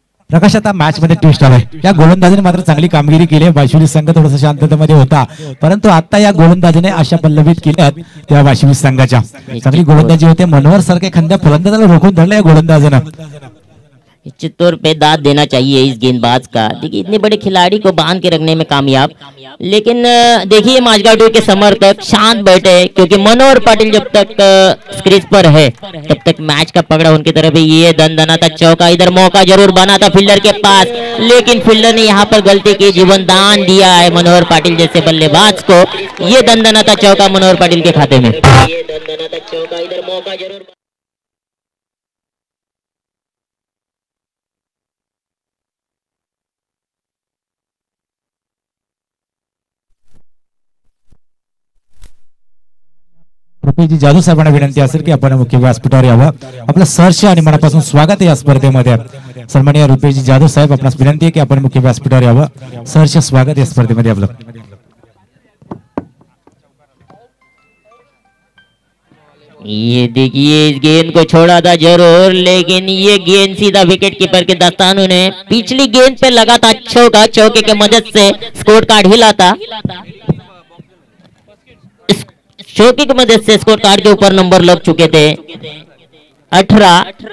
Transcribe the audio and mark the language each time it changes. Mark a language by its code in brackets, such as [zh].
[mr] प्रकाश आता मैच मध्ये ट्विस्ट आला आहे, या गोलंदाजाने मात्र चांगली कामगिरी केली आहे, वाशिवली संघ थोडासा शांततेमध्ये होता परंतु आता या गोलंदाजाने अशा पल्लवीत केल्यात त्या वाशिवली संघाच्या, चांगली गोलंदाजी होते, मनोहर सारखे खंद्या फलंदाजाला रोखून धरलं या गोलंदाजाने। [hi] निश्चित तौर पे दाद देना चाहिए इस गेंदबाज का। देखिए इतने बड़े खिलाड़ी को बांध के रखने में कामयाब, लेकिन देखिए माझगांव के समर्थक शांत बैठे हैं क्योंकि मनोहर पाटिल जब तक क्रीज पर है तब तक मैच का पकड़ा उनकी तरफ ही। ये दनदना था चौका, इधर मौका जरूर बना था फील्डर के पास, लेकिन फील्डर ने यहाँ पर गलती की, जीवन दान दिया है मनोहर पाटिल जैसे बल्लेबाज को। ये दनदना था चौका मनोहर पाटिल के खाते में। [mr] जी जादू साहब विनंती असेल की आपण मुख्य व्यासपीठावर यावं, आपलं सहर्ष आणि मनापासून स्वागत आहे या स्पर्धेमध्ये। सन्माननीय रुपेश जी जादू साहेब आपणास विनंती आहे की आपण मुख्य व्यासपीठावर यावं, सहर्ष स्वागत या स्पर्धेमध्ये आपलं। [hi] ये देखिए इस गेंद को छोड़ा था जरूर, लेकिन ये गेंद सीधा विकेट कीपर के दस्तानों ने, पिछली गेंद पे लगा था चौका, चौके के मदद से स्कोर कार्ड हिला था, चौके की मदद से स्कोर कार्ड के ऊपर नंबर लग चुके थे 18।